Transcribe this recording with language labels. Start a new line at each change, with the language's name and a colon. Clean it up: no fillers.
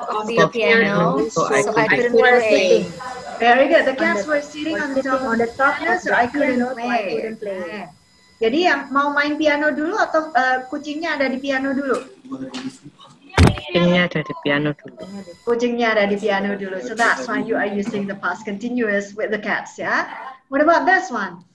English: The cats were sitting on the top of the piano, so I couldn't play. Very good. The cats were sitting on the top of the piano, so I couldn't play.
Indonesian: Jadi yang mau main piano dulu atau kucingnya ada di piano dulu? Kucingnya ada di piano dulu.
English: So that's why you are using the past continuous with the cats, yeah? What about this one?